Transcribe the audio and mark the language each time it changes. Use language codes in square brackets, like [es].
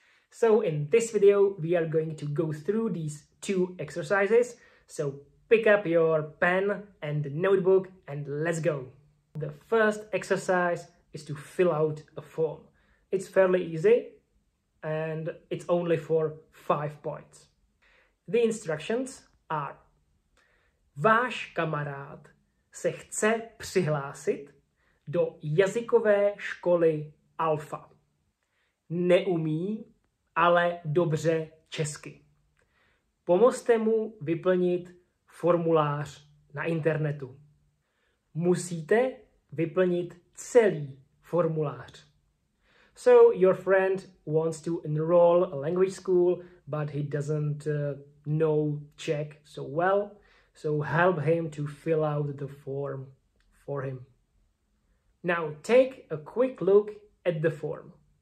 [en] So in this video, we are going to go through these two exercises. So pick up your pen and notebook and let's go. The first exercise is to fill out a form. It's fairly easy and it's only for 5 points. The instructions are: [cs] váš kamarád se chce přihlásit do jazykové školy Alfa. Neumí, ale dobře česky. Pomozte mu vyplnit formulář na internetu. Musíte vyplnit celý formulář. [en] So your friend wants to enroll a language school, but he doesn't know Czech so well. So help him to fill out the form for him. Now take a quick look at the form.